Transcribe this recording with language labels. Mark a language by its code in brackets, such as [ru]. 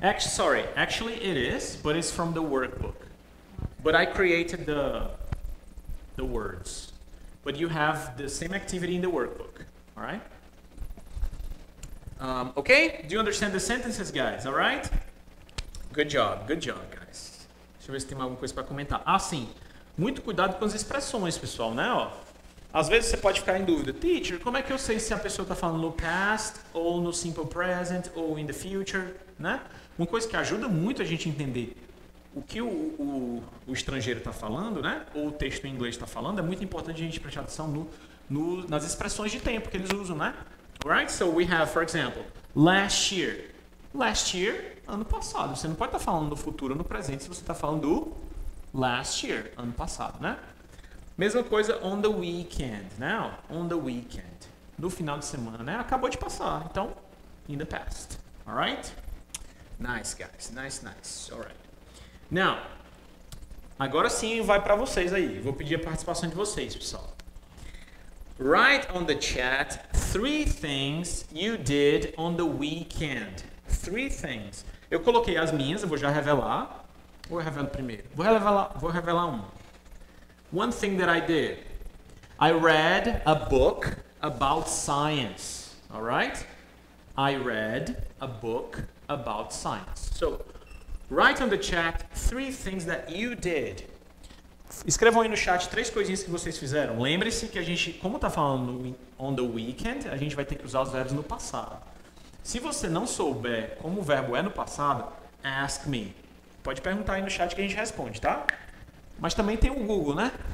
[en] Actually it is, but it's from the workbook. But I created the words. But you have the same activity in the workbook, all right? Okay, do you understand the sentences, guys, all right? Good job, guys. [pt] Deixa eu ver se tem alguma coisa para comentar. Ah, sim, muito cuidado com as expressões, pessoal, né? Ó, às vezes você pode ficar em dúvida. Teacher, como é que eu sei se a pessoa está falando no past, ou no simple present, ou [en] in the future, [pt] né? Uma coisa que ajuda muito a gente entender o que o estrangeiro está falando, né? Ou o texto em inglês está falando, é muito importante a gente prestar atenção nas expressões de tempo que eles usam, né? Alright? [en] So we have, for example, last year. Last year, [pt] ano passado. Você não pode estar falando do futuro ou no presente se você está falando do [en] last year, [pt] ano passado, né? Mesma coisa [en] on the weekend, [pt] né? [en] On the weekend. [pt] No final de semana, né? Acabou de passar. [en] Então, in the past. Alright? Nice, guys. Nice, nice. Alright. [pt] Now, agora sim vai para vocês aí. Vou pedir a participação de vocês, pessoal. [en] Write on the chat three things you did on the weekend. Three things. [pt] Eu coloquei as minhas, eu vou já revelar. Ou eu revelo primeiro? Vou revelar uma. [en] One thing that I did. I read a book about science. Alright? I read a book about science. So, write on the chat three things that you did. [pt] Escrevam aí no chat três coisinhas que vocês fizeram. Lembre-se que a gente, como está falando [en] on the weekend, [pt] a gente vai ter que usar os verbos no passado. Se você não souber como o verbo é no passado, [en] ask me. [pt] Pode perguntar aí no chat que a gente responde, tá? Mas também tem o Google, né?